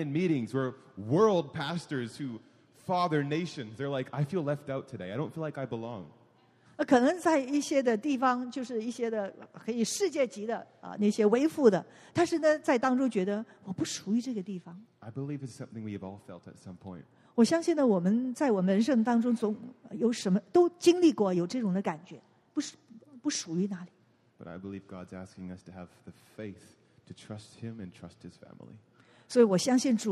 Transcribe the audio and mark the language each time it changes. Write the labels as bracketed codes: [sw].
[en] in meetings where world pastors who father nations, they're like, I feel left out today, I don't feel like I belong. [zh] 可能在一些的地方,就是一些的可以世界级的,那些微富的,但是呢,在当中觉得我不属于这个地方。 [en] I believe it's something we've all felt at some point. [zh] 我相信呢,我们在我们人生当中总有什么,都经历过有这种的感觉,不属于哪里。 [en] But I believe God's asking us to have the faith to trust Him and trust His family.